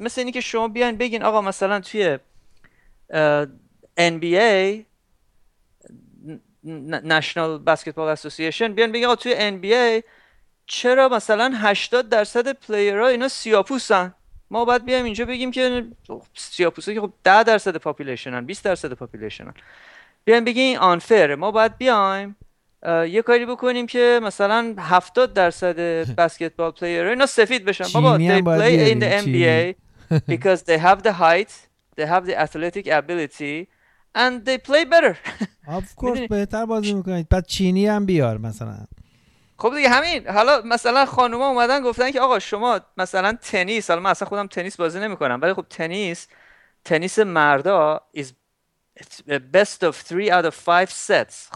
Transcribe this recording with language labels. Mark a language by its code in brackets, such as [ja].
[fa] مثل اینی که شما بیاین بگین آقا مثلا توی NBA National Basketball Association بیاین بگین آقا توی NBA چرا مثلا 80% پلیرها اینا سیاپوسن، ما باید بیایم اینجا بگیم که سیاپوسا که خب 10% پاپولیشنن، 20% پاپولیشنن، بیان بگین آنفر، ما باید بیایم یه کاری بکنیم که مثلا 70% بسکتبال پلیر اینا سفید بشن. [en] بابا they play in the NBA because they have the height, they have the athletic ability and they play better. Of course [fa] بهتر بازی میکنید. بعد چینی هم بیار مثلا. خب دیگه همین، حالا مثلا خانوما اومدن گفتن که آقا شما مثلا تنیس، حالا من اصلا خودم تنیس بازی نمیکنم، ولی خب تنیس مردا [en] is best of 3 out of 5 sets.